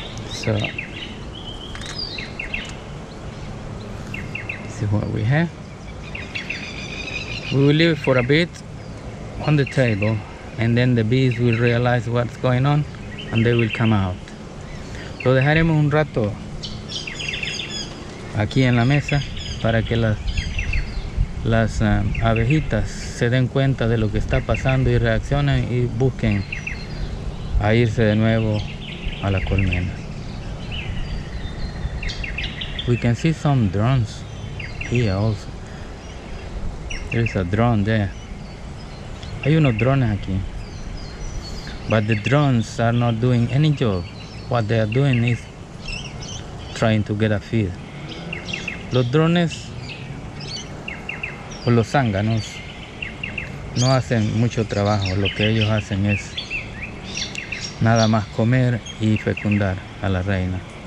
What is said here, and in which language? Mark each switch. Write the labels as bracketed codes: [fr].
[en] So, this is what we have. We will leave it for a bit on the table, and then the bees will realize what's going on and they will come out. [es] Lo dejaremos un rato aquí en la mesa para que las abejitas se den cuenta de lo que está pasando y reaccionen y busquen a irse de nuevo a la colmena. [en] We can see some drones here also. There is a drone there. [es] Hay unos drones aquí. [en] But the drones are not doing any job. What they are doing is trying to get a feed. [es] Los drones o los zánganos no hacen mucho trabajo. Lo que ellos hacen es nada más comer y fecundar a la reina.